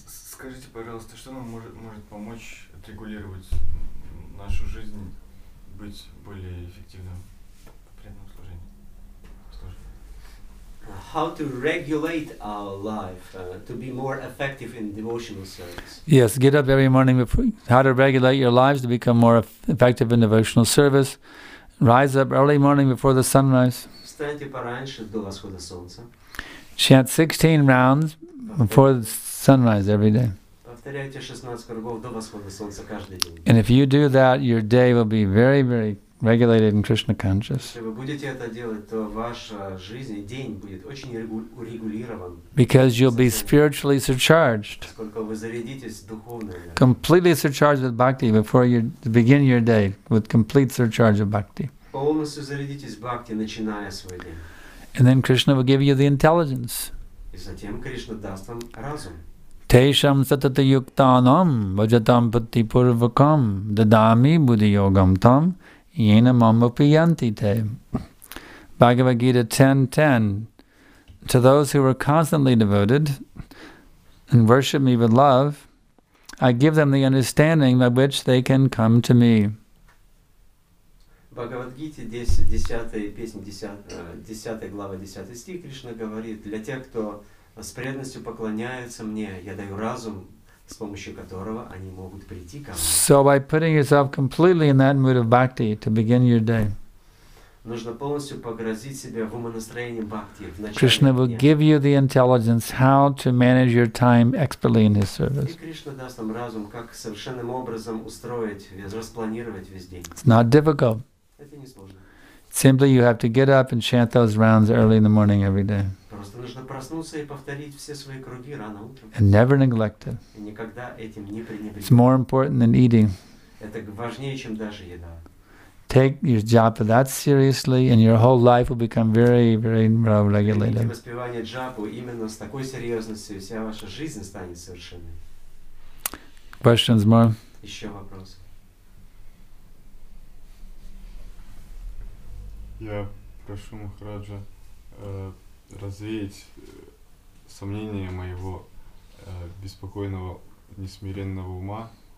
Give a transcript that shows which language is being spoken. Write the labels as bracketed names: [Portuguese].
[Russian] Скажите, пожалуйста, что нам может помочь отрегулировать нашу жизнь, быть более эффективным в преданном служении? [English] How to regulate our life to be more effective in devotional service? Yes, get up every morning before. How to regulate your lives to become more effective in devotional service? Rise up early morning before the sunrise. [Russian] Встаньте пораньше до восхода солнца. [English] Chant 16 rounds before the sunrise every day. [Russian] Повторяйте 16 кругов до восхода солнца каждый день. [English] And if you do that, your day will be very, very regulated in Krishna consciousness. [Russian] Если вы будете это делать, то ваша жизнь, день будет очень урегулирован. [English] Because you'll be spiritually surcharged. [Russian] Сколько вы зарядитесь духовно. [English] Completely surcharged with bhakti before you begin your day with complete surcharge of bhakti. [Russian] Полностью зарядитесь бхакти, начиная свой день. [English] And then Krishna will give you the intelligence. [Russian] И затем Кришна даст вам разум. [Sanskrit] Tesham satata yuktanam vajatam putti purvakam dadami buddhi yogam tam yena mamupiyanti te. [English] Bhagavad Gita 10:10. To those who are constantly devoted and worship me with love, I give them the understanding by which they can come to me. Bhagavad Gita 10:10, 10th verse, 10th [Russian] stih, Krishna говорит, для тех, кто с преданностью поклоняются мне, я даю разум, с помощью которого они могут прийти ко мне. [English] So by putting yourself completely in that mood of bhakti to begin your day. [Russian] Нужно полностью погрузить себя в умонастроение бхакти в начале. [English] Krishna will give you the intelligence how to manage your time expertly in his service. [Russian] И Кришна даст нам разум, как совершенным образом устроить, распланировать весь день. [English] It's not difficult. [Russian] Это не сложно. [English] Simply you have to get up and chant those rounds early in the morning every day. [Russian] Просто нужно проснуться и повторить все свои круги рано утром. [English] And never neglect it. [Russian] И никогда этим не пренебрегать. [English] It's more important than eating. [Russian] Это важнее, чем даже еда. [English] Take your japa that seriously and your whole life will become very, very well regulated. [Russian] Примите воспевание джапу именно с такой серьезностью, вся ваша жизнь станет совершенной. [English] Questions more? [Russian] Еще вопросы. Я прошу Махараджа развеять сомнения моего беспокойного, несмиренного ума.